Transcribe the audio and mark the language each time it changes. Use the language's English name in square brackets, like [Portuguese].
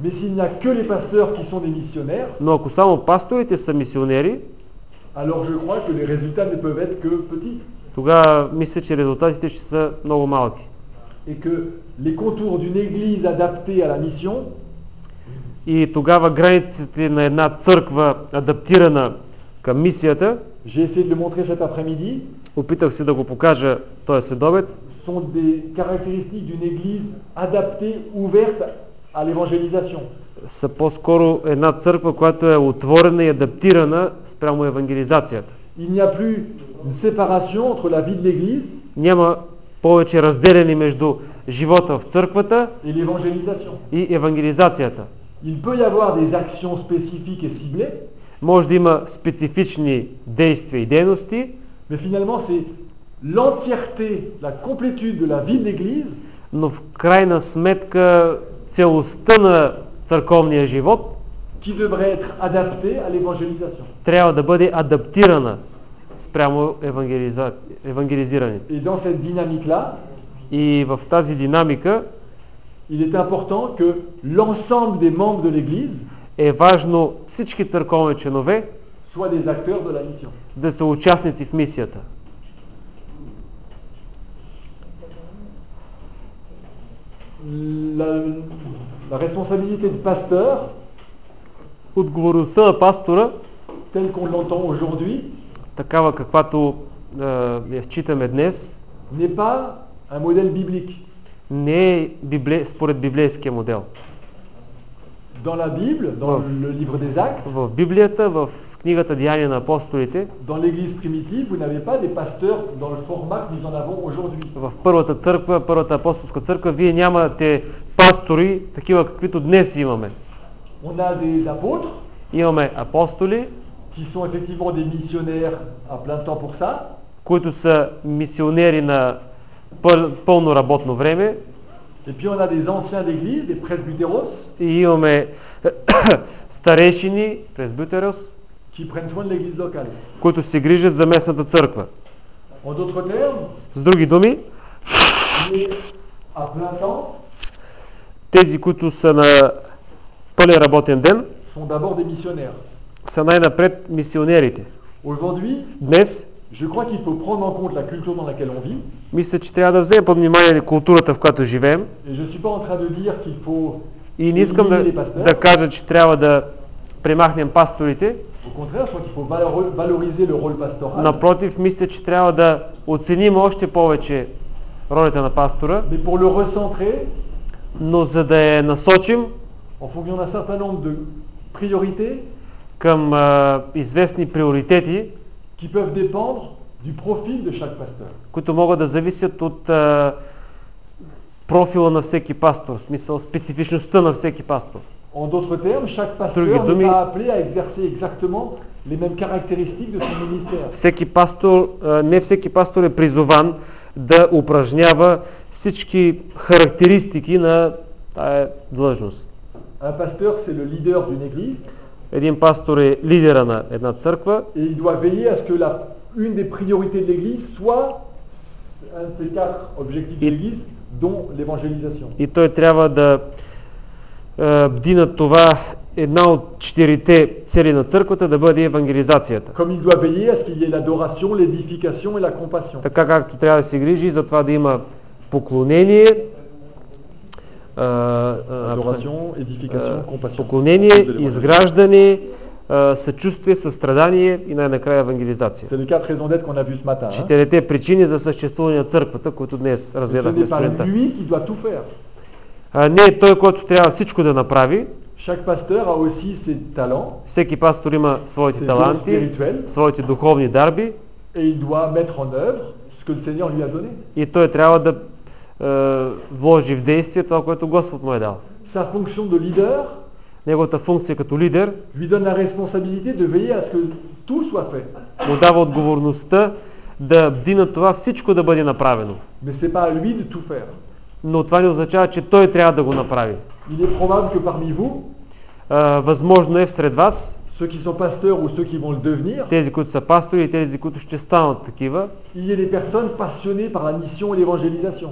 [French] Mais s'il n'y a que les pasteurs qui sont des missionnaires. [Bulgarian] Но ако само пасторите са мисионери, [French] alors je crois que les résultats ne peuvent être que petits. [Bulgarian] Тогава мисля, че резултатите ще са много малки. [French] Et que les contours d'une église adaptée à la mission. [Bulgarian] И тогава границите на една църква адаптирана към мисията. [French] J'ai essayé de le montrer cet après-midi. [Bulgarian] Опитах се да го покажа този следобед. [French] Sont des caractéristiques d'une église adaptée, ouverte à l'évangélisation. [Bulgarian] Са по-скоро една църква, която е отворена и адаптирана спрямо евангелизацията. [French] Il n'y a plus une séparation entre la vie de l'église. [Bulgarian] Няма повече разделени между живота в църквата [French] et l'évangélisation. [Bulgarian] И евангелизацията. [French] Il peut y avoir des actions spécifiques et ciblées. [Bulgarian] Може да има специфични действия и дейности. [French] Mais finalement c'est l'entièreté, la complétude de la vie de l'église. [Bulgarian] Но в крайна сметка целостта на църковния живот [French] qui devrait être adapté à l'évangélisation. [Bulgarian] Трябва да бъде адаптирана спрямо евангелизирането. [French] Et dans cette dynamique-là, [Bulgarian] и в тази динамика, [French] il est important que l'ensemble des membres de l'église [Bulgarian] е важно всички църковни членове [French] soient des acteurs de la mission. [Bulgarian] Да са участници в мисията. [French] La responsabilité de pasteur, [Bulgarian] отговорността на пастора, [French] tel qu'on l'entend aujourd'hui, [Bulgarian] такава каквато я считаме днес, [French] n'est pas un modèle biblique. [Bulgarian] Не е според библейския модел. [French] Dans la Bible, dans le livre des Actes, [Bulgarian] в Библията, в книгата Деяния на апостолите, [French] dans l'église primitive, vous n'avez pas des pasteurs dans le format que nous en avons aujourd'hui. [Bulgarian] В първата църква, първата апостолска църква, вие нямате пастори такива каквито днес имаме. [French] On a des apôtres, [Bulgarian] имаме апостоли, [French] qui sont effectivement des missionnaires à plein temps pour ça, [Bulgarian] които са мисионери на пълно работно време. [French] Et puis on a des anciens d'église, des presbyteros. [Bulgarian] И имаме старейшини, presbyteros, [French] qui prennent soin de l'église locale. [Bulgarian] Които се грижат за местната църква. [French] En d'autres termes, [Bulgarian] с други думи, [French] à plein temps, [Bulgarian] тези, които са на пълен работен ден, [French] sont d'abord des missionnaires. [Bulgarian] Са най-напред мисионерите. [French] Aujourd'hui, [Bulgarian] днес, [French] je crois qu'il faut prendre en compte la culture dans laquelle on vit. [Bulgarian] Мисля, че трябва да вземем под внимание културата, в която живеем. [French] Et je suis pas en train de dire qu'il faut [Bulgarian] и не искам да кажа, че трябва да премахнем пасторите. [French] Au contraire, je crois qu'il faut valoriser le rôle pastoral. [Bulgarian] Напротив, мисля, че трябва да оценим още повече ролята на пастора. [French] Mais pour le recentrer, [Bulgarian] но за да я насочим [French] en fonction d'un certain nombre de priorités, [Bulgarian] към известни приоритети, [French] qui peuvent dépendre du profil de chaque pasteur. [Bulgarian] Които могат да зависят от профила на всеки пастор, в смисъл специфичността на всеки пастор. [French] En d'autres termes, chaque pasteur n'est pas appelé à exercer exactement les mêmes caractéristiques de son ministère. [Bulgarian] Всеки пастор, не всеки пастор е призован да упражнява всички характеристики на тая длъжност. [French] Un pasteur, c'est le leader d'une église. [Bulgarian] Един пастор е лидера на една църква. [French] Et il doit veiller à ce que une des priorités de l'église soit un de ces quatre objectifs de l'église, dont l'évangélisation. [Bulgarian] И той трябва да бди на това една от четирите цели на църквата да бъде евангелизацията. [French] Comme il doit veiller à ce qu'il y ait l'adoration, l'édification et la compassion. [Bulgarian] Така както трябва да се грижи за това да има поклонение, [French] adoration, édification, compassion. [Bulgarian] Поклонение, изграждане, съчувствие, състрадание и най-накрая евангелизация. [French] C'est les quatre raisons d'être qu'on a vu ce matin. [Bulgarian] Четирите причини за съществуване на църквата, които днес разгледахме сутринта. [French] Lui qui doit tout faire. [Bulgarian] Не е той, който трябва всичко да направи. [French] Chaque pasteur a aussi ses talents. [Bulgarian] Всеки пастор има своите таланти, своите духовни дарби. [French] Et il doit mettre en œuvre ce que le Seigneur lui a donné. [Bulgarian] И той трябва да вложи в действие това, което Господ му е дал. [French] Sa fonction de leader, [Bulgarian] неговата функция като лидер, [French] lui donne la responsabilité de veiller à ce que tout soit fait. [Bulgarian] Му дава отговорността да бди на това всичко да бъде направено. [French] Mais c'est pas à lui de tout faire. [Bulgarian] Но това не означава, че той трябва да го направи. [French] Il est probable que parми vous, [Bulgarian] възможно е всред вас, [French] ceux qui sont pasteurs ou ceux qui vont le devenir, [Bulgarian] тези, които са пастори и тези, които ще станат такива, [French] il y a des personnes passionnées par la mission et l'évangélisation.